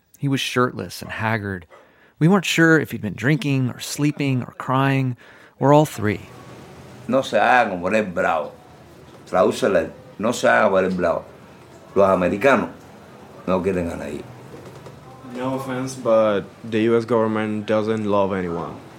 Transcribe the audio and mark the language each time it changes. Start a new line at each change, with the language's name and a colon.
English: He was shirtless and haggard. We weren't sure if he'd been drinking or sleeping or crying, or all three.
Spanish: No se haga como eres bravo. Tradúcele. No se haga como eres bravo. Los americanos no quieren a nadie.
English: No offense, but the U.S. government doesn't love anyone.